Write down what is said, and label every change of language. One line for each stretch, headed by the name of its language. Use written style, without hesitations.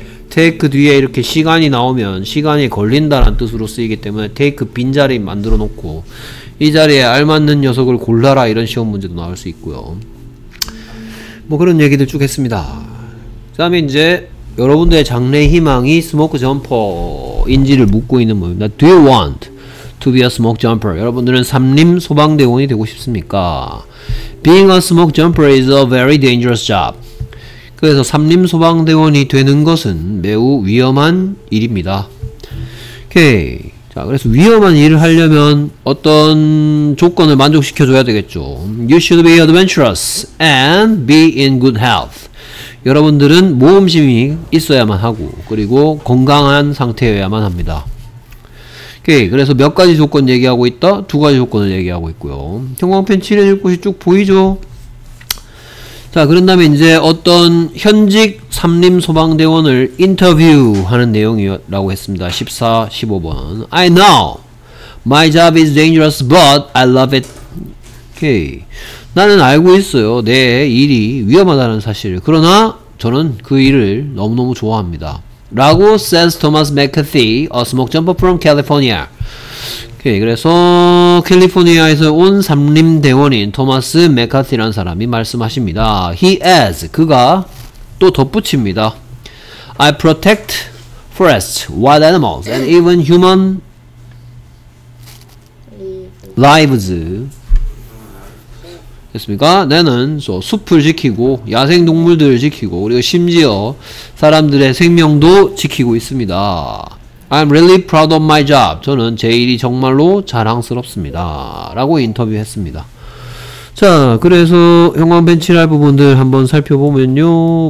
Korean: take 뒤에 이렇게 시간이 나오면 시간이 걸린다는 뜻으로 쓰이기 때문에 take 빈자리 만들어 놓고 이 자리에 알맞는 녀석을 골라라 이런 시험 문제도 나올 수 있고요. 뭐 그런 얘기들 쭉 했습니다. 그 다음에 이제 여러분들의 장래 희망이 스모크 점퍼인지를 묻고 있는 겁니다.
English: Do you want to be a smoke jumper?
Korean: 여러분들은 삼림 소방대원이 되고 싶습니까?
English: Being a smoke jumper is a very dangerous job.
Korean: 그래서 삼림 소방대원이 되는 것은 매우 위험한 일입니다. 오케이. 자, 그래서 위험한 일을 하려면 어떤 조건을 만족시켜줘야 되겠죠.
English: You should be adventurous and be in good health.
Korean: 여러분들은 모험심이 있어야만 하고 그리고 건강한 상태여야만 합니다. 오케이, 그래서 몇 가지 조건 얘기하고 있다? 두 가지 조건을 얘기하고 있고요. 형광펜 칠해줄 곳이 쭉 보이죠? 자, 그런 다음에 이제 어떤 현직 삼림소방대원을 인터뷰하는 내용이라고 했습니다.
English: 14, 15번 I know my job is dangerous but I love it.
Korean: Okay. 나는 알고 있어요. 내 일이 위험하다는 사실을. 그러나 저는 그 일을 너무너무 좋아합니다. 라고
English: says Thomas McCarthy, a smoke jumper from California.
Korean: 오케이, 그래서 캘리포니아에서 온 삼림대원인 토마스 맥카티라는 사람이 말씀하십니다.
English: He has,
Korean: 그가 또 덧붙입니다.
English: I protect forests, wild animals, and even human lives.
Korean: 됐습니까? 나는 숲을 지키고 야생동물들을 지키고 그리고 심지어 사람들의 생명도 지키고 있습니다.
English: I'm really proud of my job.
Korean: 저는 제 일이 정말로 자랑스럽습니다. 라고 인터뷰했습니다. 자, 그래서 형광펜 칠할 부분들 한번 살펴보면요.